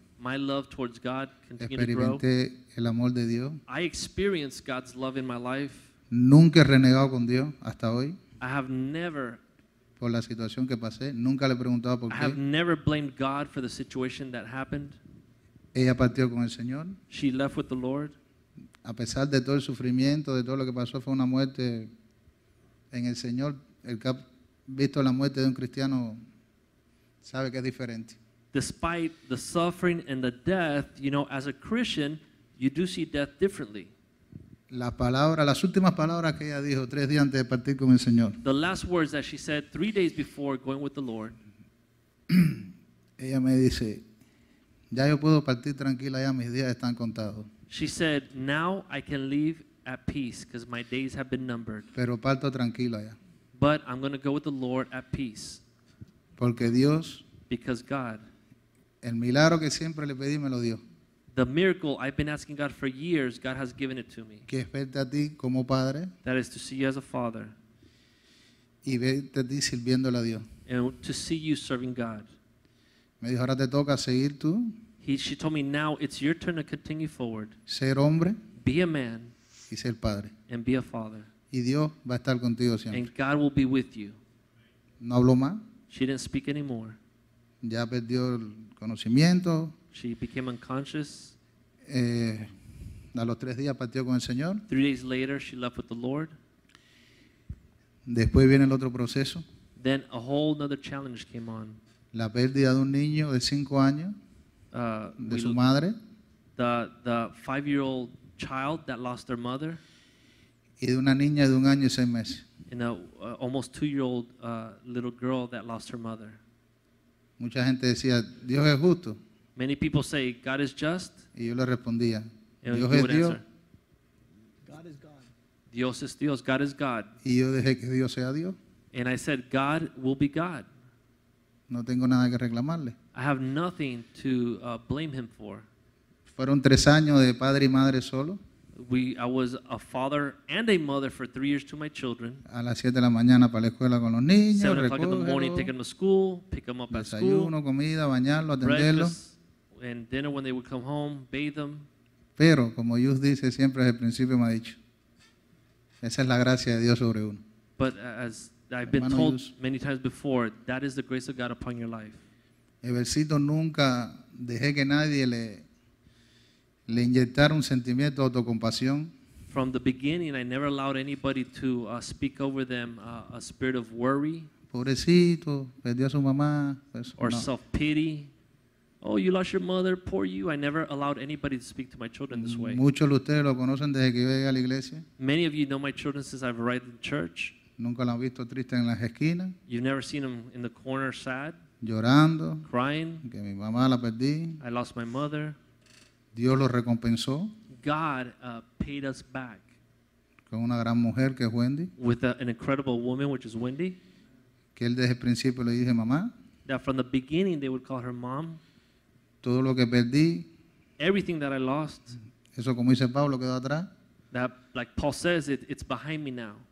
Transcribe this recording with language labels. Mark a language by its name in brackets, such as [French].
[English] My love towards God continued to grow. [Spanish] Experimenté el amor de Dios. [English] I experienced God's love in my life. [Spanish] Nunca he renegado con Dios hasta hoy. [English] I have never. [Spanish] Por la situación que pasé. Nunca le he preguntado por [English] I [Spanish] qué. [English] I have never blamed God for the situation that happened. [Spanish] Ella partió con el Señor. [English] She left with the Lord. [Spanish] A pesar de todo el sufrimiento, de todo lo que pasó, fue una muerte en el Señor. El que ha visto la muerte de un cristiano sabe que es diferente. [English] Despite the suffering and the death, you know, as a Christian, you do see death differently. [Spanish] Las últimas palabras que ella dijo 3 días antes de partir con el Señor. [English] The last words that she said 3 days before going with the Lord. [Spanish] Ella me dice, ya yo puedo partir tranquila, ya mis días están contados. [English] She said, now I can leave at peace because my days have been numbered. [Spanish] Pero parto tranquilo allá. [English] But I'm going to go with the Lord at peace. [Spanish] Porque Dios, [English] because God, [Spanish] el milagro que siempre le pedí, me lo dio. [English] The miracle I've been asking God for years, God has given it to me. [Spanish] Que verte a ti como padre, [English] that is to see you as a father. [Spanish] Y verte a ti sirviéndole a Dios. [English] And to see you serving God. [Spanish] Me dijo, ahora te toca seguir tú. [English] She told me, now it's your turn to continue forward. [Spanish] Ser hombre, [English] be a man. [Spanish] Y ser padre. [English] And be a father. [Spanish] Y Dios va a estar contigo siempre. [English] And God will be with you. [Spanish] No habló más. [English] She didn't speak anymore. [Spanish] Ya perdió el conocimiento. [English] She became unconscious. [Spanish] A los tres días partió con el Señor. [English] 3 days later, she left with the Lord. [Spanish] Después viene el otro proceso. [English] Then a whole other challenge came on. [Spanish] La pérdida de un niño de 5 años de su madre. [English] The 5-year-old child that lost their mother. [Spanish] Y de una niña de 1 año y 6 meses. [English] And an almost 2-year-old little girl that lost her mother. [Spanish] Mucha gente decía, Dios es justo. [English] Many people say, God is just. [Spanish] Y yo le respondía, [English] and [Spanish] Dios es Dios. [English] God is God. [Spanish] Dios es Dios. [English] God is God. [Spanish] Y yo dejé que Dios sea Dios. [English] And I said, God will be God. [Spanish] No tengo nada que reclamarle. [English] I have nothing to blame him for. [Spanish] Fueron 3 años de padre y madre solo. [English] I was a father and a mother for 3 years to my children. [Spanish] A las 7 de la mañana para la escuela con los niños. [English] 7 o'clock in the morning, take them to school, pick them up at school. [Spanish] Desayuno, comida, bañarlo, atenderlo. [English] And dinner when they would come home, bathe them. [Spanish] Pero, como Dios dice, siempre desde el principio me ha dicho. Esa es la gracia de Dios sobre uno. [English] But as I've been told many times before, that is the grace of God upon your life. [Spanish] El versito nunca dejé que nadie le inyectara un sentimiento de autocompasión. [English] From the beginning, I never allowed anybody to speak over them a spirit of worry. [Spanish] Pobrecito, perdió a su mamá. Pues, [English] or [Spanish] no. [English] Self-pity. Oh, you lost your mother, poor you. I never allowed anybody to speak to my children this way. [Spanish] Muchos de ustedes lo conocen desde que yo llegué a la iglesia. [English] Many of you know my children since I've arrived in church. [Spanish] Nunca lo han visto triste en las esquinas. [English] You've never seen them in the corner sad. [Spanish] Llorando. [English] Crying. [Spanish] Que mi mamá la perdí. [English] I lost my mother. [Spanish] Dios lo recompensó. [English] God paid us back. [Spanish] Con una gran mujer que es Wendy. [English] With an incredible woman, which is Wendy. [Spanish] Que él desde el principio le dije mamá. [English] That from the beginning they would call her mom. [Spanish] Todo lo que perdí. [English] Everything that I lost. [Spanish] Eso como dice Pablo quedó atrás. [English] That, like Paul says, it's behind me now.